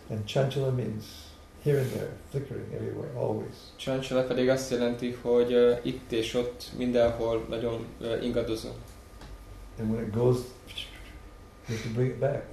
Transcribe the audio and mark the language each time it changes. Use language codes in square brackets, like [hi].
[en] And chanchala means here and there, flickering everywhere, always. [hu] Chanchala pedig azt jelenti, hogy itt és ott, mindenhol nagyon ingadozó. [en] And when it goes, you have to bring it back.